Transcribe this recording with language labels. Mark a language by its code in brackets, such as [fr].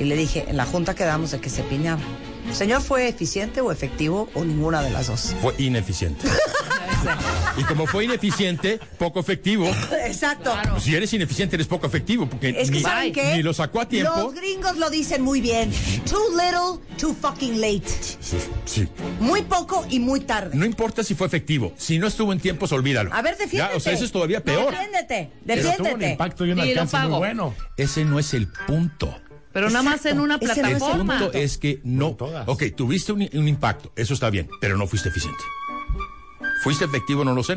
[es] Y le dije, en la junta quedamos de que se piñaba. ¿Señor fue eficiente o efectivo o ninguna de las dos? Fue ineficiente. Y como fue ineficiente, poco efectivo. Exacto. Claro. Si eres ineficiente, eres poco efectivo. Porque es que, ¿saben qué? Ni lo sacó a tiempo. Los gringos lo dicen muy bien. [en] Too little, too fucking late. [es] Sí. Muy poco y muy tarde. No importa si fue efectivo. Si no estuvo en tiempo, olvídalo. A ver, defiéndete. O sea, eso es todavía peor. Defiéndete. Pero tuvo un impacto y un alcance muy bueno. Ese no es el punto. Pero exacto, nada más en una plataforma. El punto es que no. Ok, tuviste un impacto, eso está bien, pero no fuiste eficiente. ¿Fuiste efectivo? No lo sé.